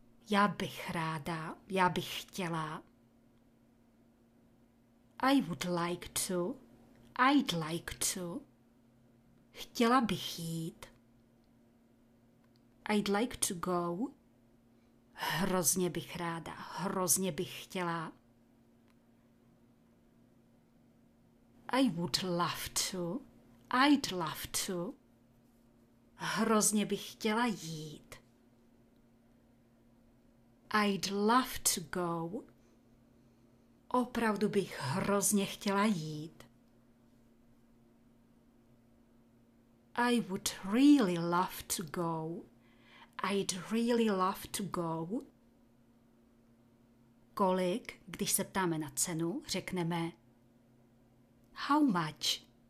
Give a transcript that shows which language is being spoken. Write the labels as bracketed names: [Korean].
[Czech] Já bych ráda, já bych chtěla. [English] I would like to, I'd like to. [Czech] Chtěla bych jít. [English] I'd like to go. [Czech] Hrozně bych ráda, hrozně bych chtěla. [English] I would love to, I'd love to. [Czech] Hrozně bych chtěla jít. [English] I'd love to go. [Czech] Opravdu bych hrozně chtěla jít. [English] I would really love to go. I'd really love to go. [Czech] Kolik, když se ptáme na cenu, řekneme [English] how much?